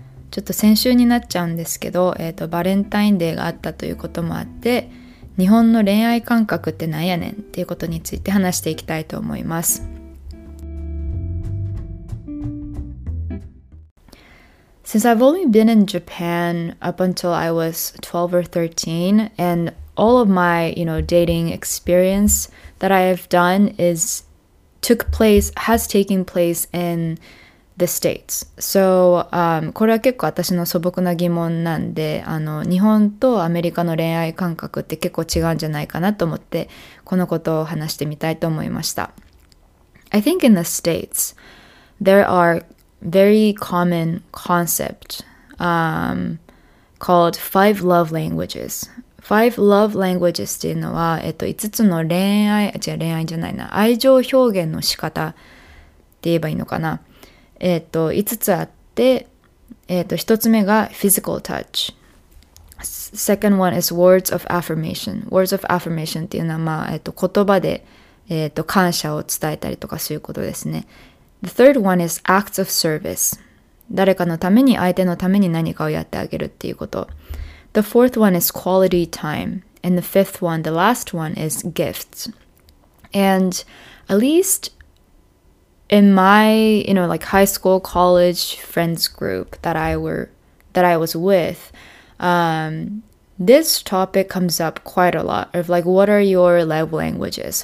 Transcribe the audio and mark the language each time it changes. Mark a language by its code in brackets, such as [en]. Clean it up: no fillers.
[ja] ちょっと先週になっちゃうんですけど、バレンタインデーがあったということもあって、日本の恋愛感覚ってなんやねんっていうことについて話していきたいと思います。 [en] Since I've only been in Japan up until I was 12 or 13, and all of my, you know, dating experience that I have done is has taken place in the States. [ja] So, これは結構私の素朴な疑問なんで、日本とアメリカの恋愛感覚って結構違うんじゃないかなと思って、このことを話してみたいと思いました。 [en] I think in the States, there are very common concept, called five love languages. [ja] Five love languages っていうのは、5つの恋愛、違う恋愛じゃないな、愛情表現の仕方って言えばいいのかな。 5つあって、1つ目が physical touch。 [en] Second one is words of affirmation。 [ja] Words of affirmation っていうのは、まあ、言葉で、感謝を伝えたりとかそういうことですね。 [en] The third one is acts of service。 [ja] 誰かのために、相手のために何かをやってあげるっていうこと。 [en] The fourth one is quality time. And the fifth one, the last one, is gifts. And at least in my, you know, like high school, college friends group that I was with, this topic comes up quite a lot of like, what are your love languages?